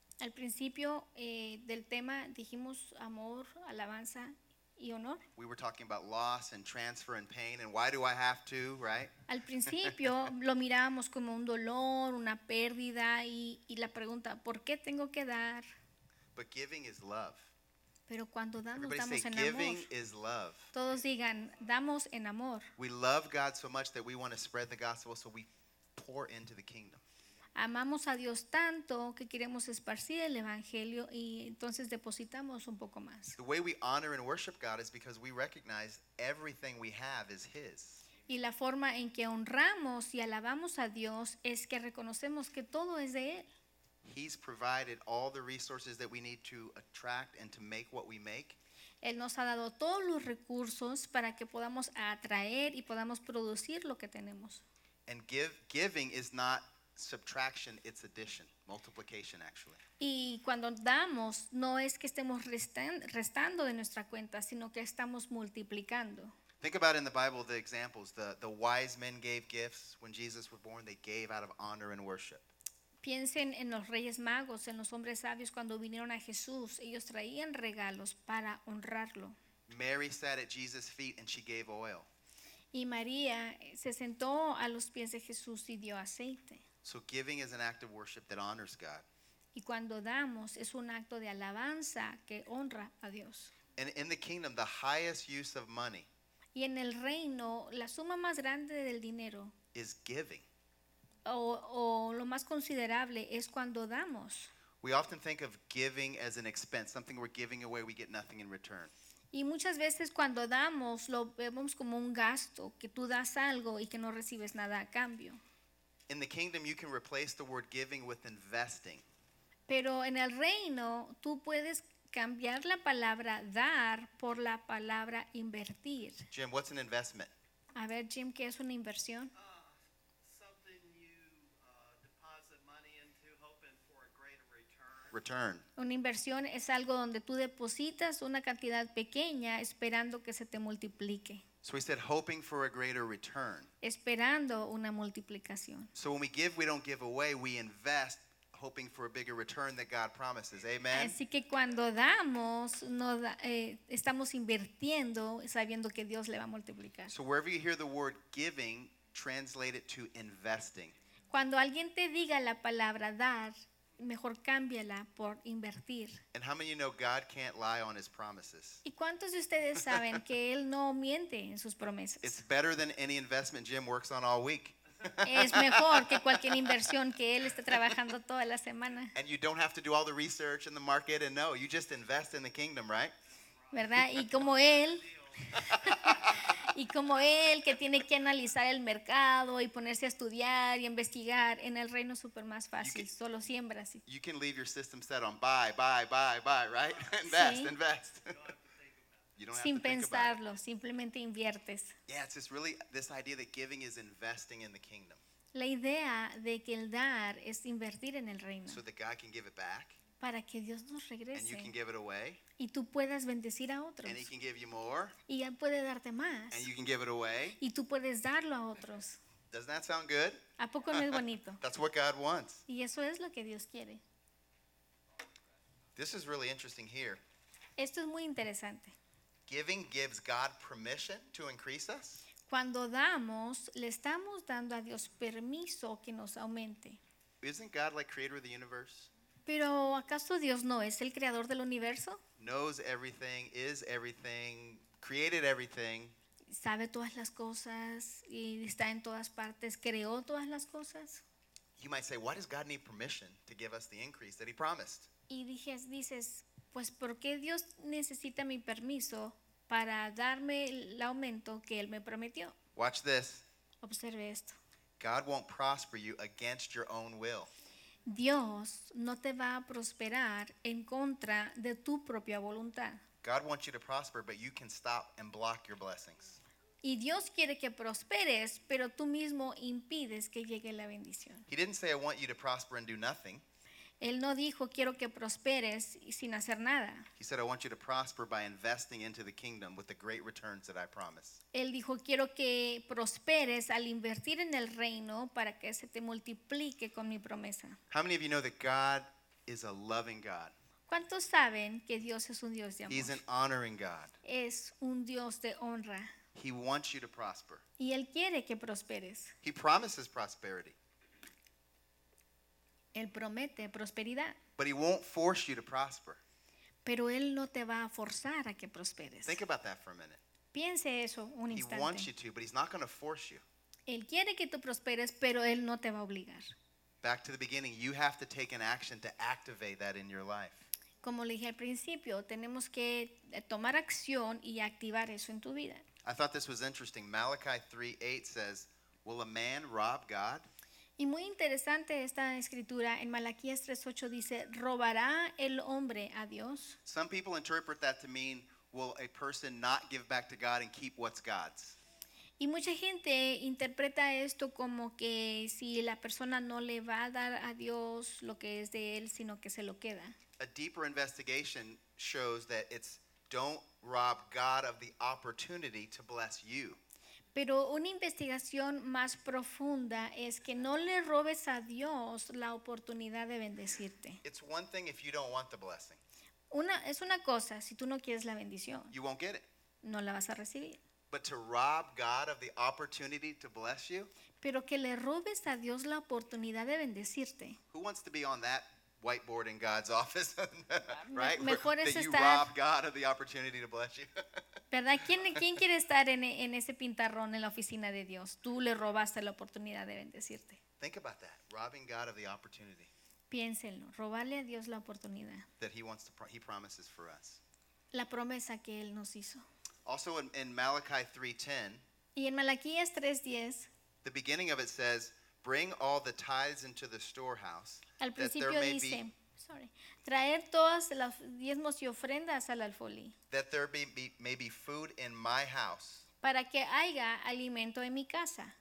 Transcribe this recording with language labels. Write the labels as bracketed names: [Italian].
[Spanish] Al principio del tema dijimos amor, alabanza y honor. [English] We were talking about loss and transfer and pain, and why do I have to, right? [Spanish] Al principio lo mirábamos como un dolor, una pérdida, y la pregunta, ¿por qué tengo que dar? [English] But giving is love. [Spanish] Pero cuando damos, [English] everybody [Spanish] damos [English] say [Spanish] en [English] giving [Spanish] amor. [English] Is love. [Spanish] Todos digan, damos en amor. [English] We love God so much that we want to spread the gospel, so we pour into the kingdom. [Spanish] Amamos a Dios tanto que queremos esparcir el evangelio y entonces depositamos un poco más. [English] The way we honor and worship God is because we recognize everything we have is His. [Spanish] Y la forma en que honramos y alabamos a Dios es que reconocemos que todo es de Él. [English] He's provided all the resources that we need to attract and to make what we make. [Spanish] Él nos ha dado todos los recursos para que podamos atraer y podamos producir lo que tenemos. [English] And giving is not subtraction, it's addition, multiplication actually. [Spanish] Y cuando damos, no es que estemos restando de nuestra cuenta, sino que estamos multiplicando. [English] Think about in the Bible the examples, the wise men gave gifts when Jesus was born, they gave out of honor and worship. [Spanish] Piensen en los reyes magos, en los hombres sabios cuando vinieron a Jesús, ellos traían regalos para honrarlo. [English] Mary sat at Jesus' feet and she gave oil. [Spanish] Y María se sentó a los pies de Jesús y dio aceite. [English] So giving is an act of worship that honors God. [Spanish] Y cuando damos es un acto de alabanza que honra a Dios. [English] And in the kingdom, the highest use of money. [Spanish] Y en el reino, la suma más grande del dinero. [English] Is giving. [Spanish] O lo más considerable es cuando damos. [English] We often think of giving as an expense, something we're giving away, we get nothing in return. [Spanish] Y muchas veces cuando damos lo vemos como un gasto, que tú das algo y que no recibes nada a cambio. [English] In the kingdom you can replace the word giving with investing. [Spanish] Pero en el reino tú puedes cambiar la palabra dar por la palabra invertir. [English] Jim, what's an investment? [Spanish] A ver, Jim, ¿qué es una inversión? [English] Something you deposit money into hoping for a greater return. Return. [Spanish] Una inversión es algo donde tú depositas una cantidad pequeña esperando que se te multiplique. [English] So we said hoping for a greater return. [Spanish] Esperando una multiplicación. [English] So when we give, we don't give away, we invest hoping for a bigger return that God promises. Amen. [Spanish] Así que cuando damos, estamos invirtiendo sabiendo que Dios le va a multiplicar. [English] So wherever you hear the word giving, translate it to investing. [Spanish] Cuando alguien te diga la palabra dar, mejor cámbiala por invertir. [English] And how many of you know God can't lie on his promises? [Spanish] ¿Y cuántos de ustedes saben que él no miente en sus promesas? [English] It's better than any investment Jim works on all week. [Spanish] Es mejor que cualquier inversión que él esté trabajando toda la semana. [English] And you don't have to do all the research in the market and know. You just invest in the kingdom, right? [Spanish] ¿Verdad? Y como él... Y como él que tiene que analizar el mercado y ponerse a estudiar y investigar, en el reino super más fácil, [English] you can, [Spanish] solo siembra así. [English] You can leave your system set on buy, right? Invest, [Spanish] sí. [English] Invest. [Spanish] Sin pensarlo, simplemente inviertes. [English] Yeah, it's just really this idea that giving is investing in the kingdom. [Spanish] La idea de que el dar es invertir en el reino. [English] So that God can give it back. [Spanish] Para que Dios nos regrese. [English] And you can give it away. [Spanish] Y tú puedas bendecir a otros. [English] And he can give you more. [Spanish] Y él puede darte más. [English] And you can give it away. [Spanish] Y tú puedes darlo a otros. [English] Doesn't that sound good? [Spanish] ¿A poco no es bonito? [English] That's what God wants. [Spanish] Y eso es lo que Dios quiere. [English] This is really interesting here. [Spanish] Esto es muy interesante. [English] Giving gives God permission to increase us. [Spanish] Cuando damos, le estamos dando a Dios permiso que nos aumente. [English] Isn't God like creator of the universe? [Spanish] ¿Pero acaso Dios no es el creador del universo? [English] Knows everything, is everything, created everything. [Spanish] Sabe todas las cosas y está en todas partes, creó todas las cosas. [English] You might say, why does God need permission to give us the increase that he promised? [Spanish] Y dices, pues ¿por qué Dios necesita mi permiso para darme el aumento que él me prometió? [English] Watch this. [Spanish] Observe esto. [English] God won't prosper you against your own will. [Spanish] Dios no te va a prosperar en contra de tu propia voluntad. [English] God wants you to prosper, but you can stop and block your blessings. [Spanish] Y Dios quiere que prosperes, pero tú mismo impides que llegue la bendición. [English] He didn't say, I want you to prosper and do nothing. [Spanish] Él no dijo, quiero que prosperes sin hacer nada. [English] He said, I want you to prosper by investing into the kingdom with the great returns that I promise. [Spanish] Él dijo, quiero que prosperes al invertir en el reino para que se te multiplique con mi promesa. [English] How many of you know that God is a loving God? [Spanish] ¿Cuántos saben que Dios es un Dios de amor? [English] He's an honoring God. [Spanish] Es un Dios de honra. [English] He wants you to prosper. [Spanish] Y Él quiere que prosperes. [English] He promises prosperity. [Spanish] Él promete prosperidad. [English] But he won't force you to prosper. [Spanish] Pero Él no te va a forzar a que prosperes. [English] Think about that for a minute. [Spanish] Piense eso un instante. [English] He wants you to, but he's not going to force you. [Spanish] Él quiere que tú prosperes, pero Él no te va a obligar. [English] Back to the beginning, you have to take an action to activate that in your life. [Spanish] Como le dije al principio, tenemos que tomar acción y activar eso en tu vida. [English] I thought this was interesting. Malachi 3:8 says, "Will a man rob God?" [Spanish] Y muy interesante esta escritura en Malaquías 3:8 dice, "¿Robará el hombre a Dios?" [English] Some people interpret that to mean, "Will a person not give back to God and keep what's God's?" [Spanish] Y mucha gente interpreta esto como que si la persona no le va a dar a Dios lo que es de él, sino que se lo queda. [English] A deeper investigation shows that it's don't rob God of the opportunity to bless you. [Spanish] Pero una investigación más profunda es que no le robes a Dios la oportunidad de bendecirte. [English] It's one thing if you don't want the blessing. [Spanish] Es una cosa si tú no quieres la bendición. [English] You won't get it. [Spanish] No la vas a recibir. [English] But to rob God of the opportunity to bless you? [Spanish] Pero que le robes a Dios la oportunidad de bendecirte. [English] Who wants to be on that whiteboard in God's office? Right? [Spanish] Mejor [English] that [Spanish] es [English] you [Spanish] estar... [English] rob God of the opportunity to bless you? [Spanish] ¿Verdad? ¿Quién quiere estar en ese pintarrón en la oficina de Dios? Tú le robaste la oportunidad de bendecirte. [English] Think about that. Robbing God of the opportunity. [Spanish] Piénsenlo. Robarle a Dios la oportunidad. [English] That he wants to he promises for us. [Spanish] La promesa que Él nos hizo. [English] Also in Malachi 3:10, [Spanish] y en Malaquías 3:10, [English] the beginning of it says, bring all the tithes into the storehouse. [Spanish] Al principio [English] that there [Spanish] dice, [English] may be, sorry, [Spanish] traer todas las diezmos y ofrendas al alfolí. [English] That there may be food in my house. [Spanish] Para que haya alimento en mi casa.